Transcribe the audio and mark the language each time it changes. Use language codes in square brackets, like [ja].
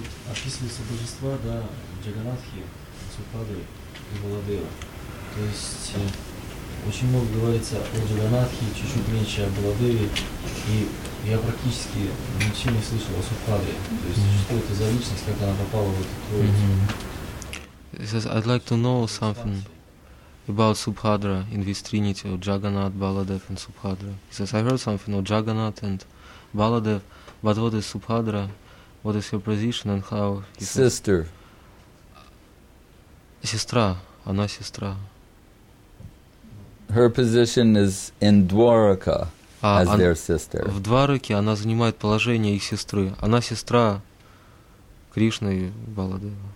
[ru] Описывается божества, да, Джаганатхи, Супады и Баладева. То есть очень много говорится о Джаганатхи, чуть-чуть меньше о Баладеве, и я практически ничего не слышал о Супаде. То есть что это за личность, как она попала в эту троицу? [en] I'd like to know something about Subhadra in this trinity of Jagannath, Baladev and Subhadra. He says, I heard something of Jagannath and Baladev, but what is Subhadra? What is your position and how? He Sister. Says, [ru] сестра. Она сестра. [en] Her position is in Dwaraka as their sister. [ru] В Двараке она занимает положение их сестры. Она сестра Кришны и Баладева.